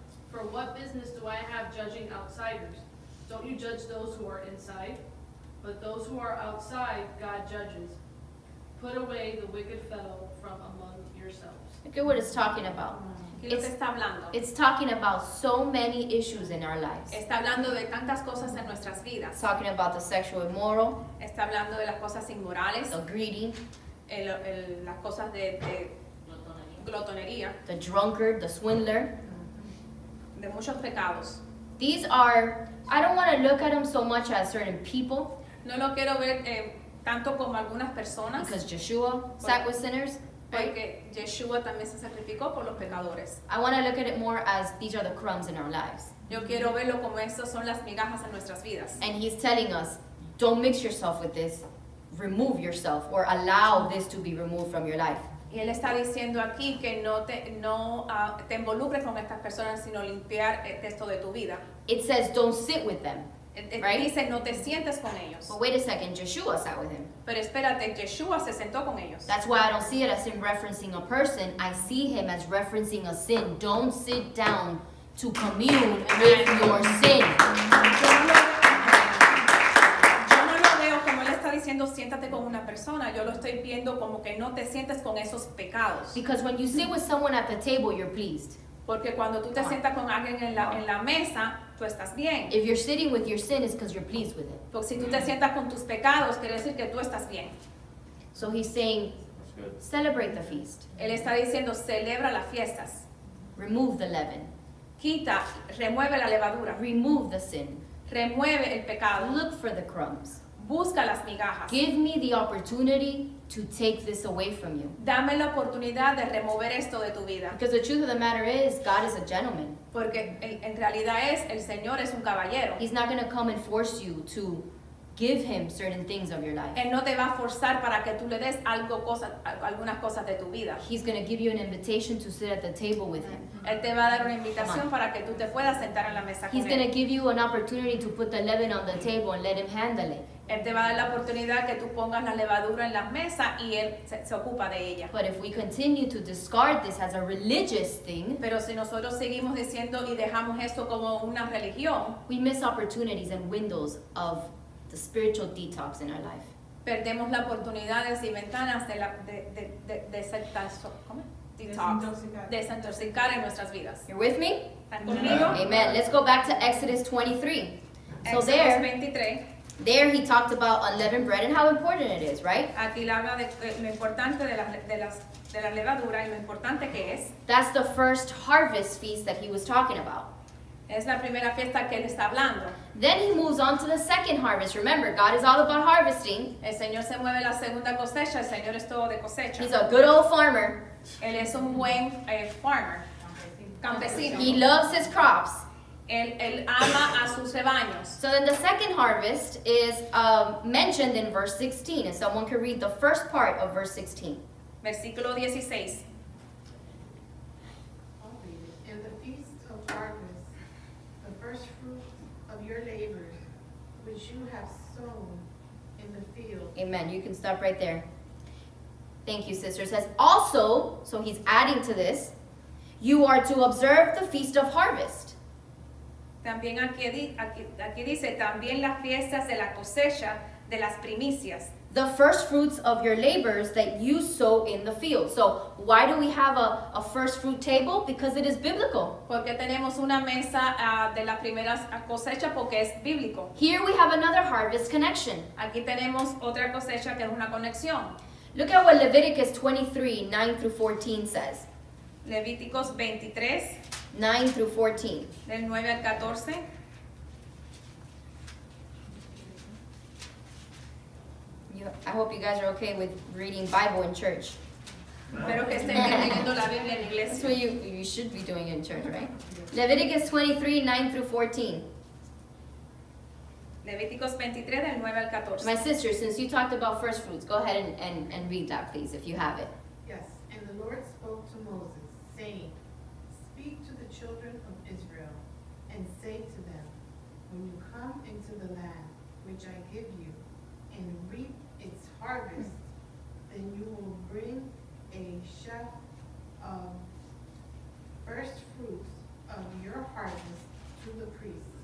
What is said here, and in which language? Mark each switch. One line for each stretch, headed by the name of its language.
English: For what business do I have judging outsiders? Don't you judge those who are inside? But those who are outside, God judges. Put away the wicked fellow from among yourselves. Look at what it's talking about. It's talking about so many issues in our lives.
Spanish: Está hablando de tantas cosas en nuestras vidas.
English: It's talking about the sexual immoral.
Spanish: Está hablando de las cosas inmorales.
English: The greedy.
Spanish: Las cosas de glotonería.
English: The drunkard, the swindler.
Spanish: De muchos pecados.
English: These are, I don't want to look at them so much as certain people.
Spanish: No lo quiero ver tanto como algunas personas.
English: Because Yeshua sat with sinners.
Spanish: Porque Yeshua también se sacrificó por los pecadores.
English: I want to look at it more as these are the crumbs in our lives.
Spanish: Yo quiero verlo como estas son las migajas en nuestras vidas.
English: And he's telling us, don't mix yourself with this. Remove yourself or allow this to be removed from your life.
Spanish: Y él está diciendo aquí que no te involucres con estas personas, sino limpiar esto de tu vida.
English: It says, don't sit with them. Right?
Spanish: Dice, no te sientes con ellos.
English: But wait a second, Yeshua sat with him.
Spanish: Pero espérate, Yeshua se sentó con ellos.
English: That's why I don't see it as him referencing a person. I see him as referencing a sin. Don't sit down to commune with your sin.
Spanish: Yo no lo veo como él está diciendo. diciendo siéntate con una persona, yo lo estoy viendo como que no te sientes con esos pecados.
English: Because when you sit with someone at the table, you're pleased.
Spanish: Porque cuando tú te sientas con alguien en la mesa, tú estás bien.
English: If you're sitting with your sin, it's because you're pleased with it.
Spanish: Porque si tú te sientas con tus pecados, quiere decir que tú estás bien.
English: So he's saying, celebrate the feast.
Spanish: Él está diciendo, celebra las fiestas.
English: Remove the leaven.
Spanish: Quita, remueve la levadura.
English: Remove the sin.
Spanish: Remueve el pecado.
English: Look for the crumbs.
Spanish: Busca las migajas.
English: Give me the opportunity to take this away from you.
Spanish: Dame la oportunidad de remover esto de tu vida.
English: Because the truth of the matter is, God is a gentleman.
Spanish: Porque en realidad es, el Señor es un caballero.
English: He's not going to come and force you to give him certain things of your life.
Spanish: Él no te va a forzar para que tú le des algo, algunas cosas de tu vida.
English: He's going to give you an invitation to sit at the table with him.
Spanish: Él te va a dar una invitación para que tú te puedas sentar en la mesa con él.
English: He's going to give you an opportunity to put the leaven on the table and let him handle it.
Spanish: Él te va a dar la oportunidad que tú pongas la levadura en la mesa y él se ocupa de ella.
English: But if we continue to discard this as a religious thing,
Spanish: pero si nosotros seguimos diciendo y dejamos esto como una religión,
English: we miss opportunities and windows of the spiritual detox in our life.
Spanish: Perdemos las oportunidades y ventanas de la de ser tan ¿cómo? Desintoxicar en nuestras vidas.
English: You're with me?
Spanish: ¿Conmigo?
English: Amen. Let's go back to Exodus 23. So Exodus there, 23. There he talked about unleavened bread and how important it is, right?
Spanish: Aquí habla de lo importante de la levadura y lo importante que es.
English: That's the first harvest feast that he was talking about.
Spanish: Es la primera fiesta que él está hablando.
English: Then he moves on to the second harvest. Remember, God is all about harvesting.
Spanish: El Señor se mueve la segunda cosecha. El Señor es todo de cosecha.
English: He's a good old farmer.
Spanish: Él es un buen farmer. Campesino.
English: He loves his crops.
Spanish: Él ama a sus rebaños.
English: So then the second harvest is mentioned in verse 16. If someone could read the first part of verse 16.
Spanish: Versículo 16.
English: And the feast of harvest, the first fruit of your labor, which you have sown in the field. Amen. You can stop right there. Thank you, sister. It says, also, so he's adding to this, you are to observe the feast of harvest.
Spanish: También aquí dice, también las fiestas de la cosecha de las primicias.
English: The first fruits of your labors that you sow in the field. So why do we have a first fruit table? Because it is biblical.
Spanish: Porque tenemos una mesa de las primeras cosechas porque es bíblico.
English: Here we have another harvest connection.
Spanish: Aquí tenemos otra cosecha que es una conexión.
English: Look at what Leviticus 23:9-14 says. Leviticus 23. 9 through 14.
Spanish: Del 9 al 14.
English: I hope you guys are okay with reading Bible in church.
Spanish: Espero que estén leyendo la Biblia en iglesia.
English: That's what you should be doing in church, right? Leviticus 23:9-14.
Spanish: Leviticus 23, del 9 al 14.
English: My sister, since you talked about first fruits, go ahead and read that, please, if you have it. Yes. And the Lord spoke to Moses, saying, speak to the children of Israel, and say to them, when you come into the land which I give you, and reap its harvest, then you will bring a sheaf of first fruits of your harvest to the priest.